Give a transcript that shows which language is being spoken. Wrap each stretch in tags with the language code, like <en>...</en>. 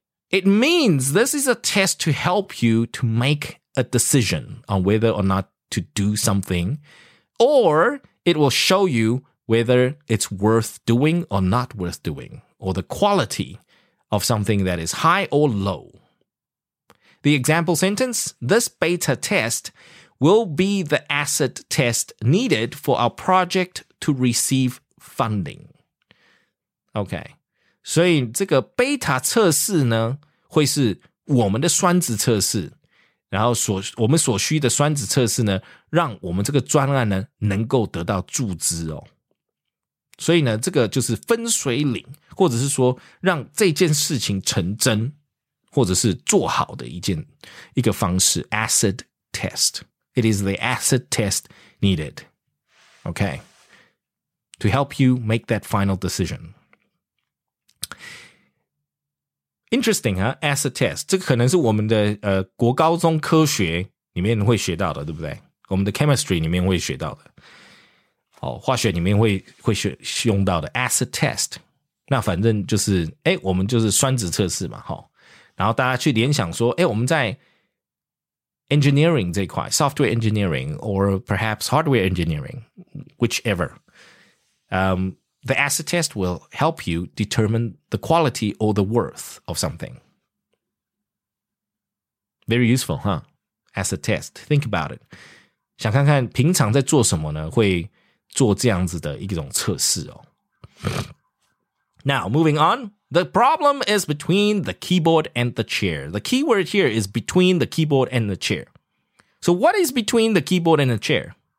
<en>It means this is a test to help you to make a decision on whether or not to do something, or it will show you whether it's worth doing or not worth doing, or the quality of something that is high or low. The example sentence, this beta test will be the acid test needed for our project to receive funding. Okay.</en> <zh>所以这个 beta 测试呢会是我们的酸质测试然后我们所需的酸质测试呢让我们这个专案呢能够得到注资哦。所以呢这个就是分水岭或者是说让这件事情成真或者是做好的一个方式 acid test.</zh> <en>It is the acid test needed. Okay. To help you make that final decision. Interesting, huh? Acid test.</en> <zh>这个可能是我们的国高中科学里面会学到的，对不对？我们的 chemistry 里面会学到的，好，化学里面会学用到的 acid test。那反正就是，我们就是酸质测试嘛，好。然后大家去联想说，我们在 engineering 这块</zh> <en>，software engineering or perhaps hardware engineering, whichever, The acid test will help you determine the quality or the worth of something. Very useful, huh? Acid test. Think about it.</en> <zh>想看看平常在做什么呢？会做这样子的一种测试哦。</zh> <en>Now, moving on. The problem is between the keyboard and the chair. The key word here is between the keyboard and the chair. So what is between the keyboard and the chair?</en>